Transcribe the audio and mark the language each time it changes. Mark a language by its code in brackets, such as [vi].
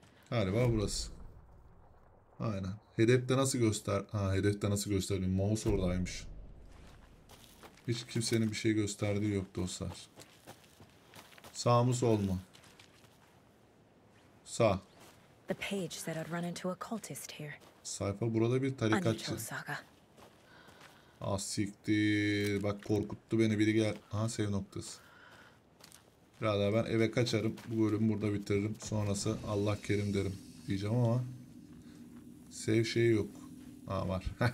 [tr] Galiba burası. Aynen. Hedefte nasıl göster... hedefte nasıl gösterdim? Mouse oradaymış. Hiç kimsenin bir şey gösterdiği yok dostlar. Sağ mı sol mu? Sağ. [en] The page said I'd run into a cultist here. [tr] Sayfa burada bir tarikatçı. Ah siktir. Bak korkuttu beni, biri gel. Aha, save noktası. Birader ben eve kaçarım. Bu bölümü burada bitiririm. Sonrası Allah kerim derim diyeceğim ama. Save şeyi yok. Aa, var.